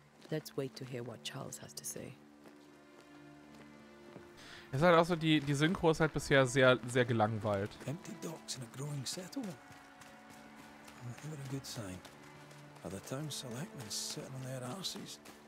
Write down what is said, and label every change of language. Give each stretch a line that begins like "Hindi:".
English: Let's wait to hear what Charles has to say.
German: Es ist halt auch so, die Synchro ist halt bisher sehr, sehr gelangweilt.
English: Empty docks in a growing settlement. Not a good sign. Are the town selectmen sitting on their arses?